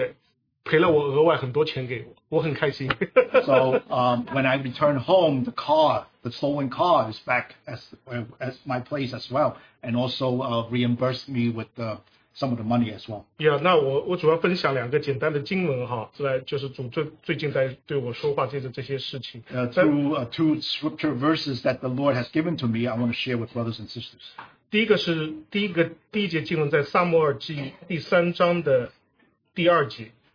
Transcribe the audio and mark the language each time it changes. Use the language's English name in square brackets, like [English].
[Chinese] 然后等我回来的时候呢，这个车已经把我捞回来了，而且赔了我额外很多钱给我，我很开心。 [English] So when I returned home, the car, the stolen car, is back as my place as well, and also reimbursed me with the some of the money as well. [Chinese] Yeah, 那我主要分享两个简单的经文哈，是吧？就是主最近在对我说话，就是这些事情。 [English] Two scripture verses that the Lord has given to me, I want to share with brothers and sisters. [Chinese] 第一个是第一节经文在撒母耳记第三章的第二节。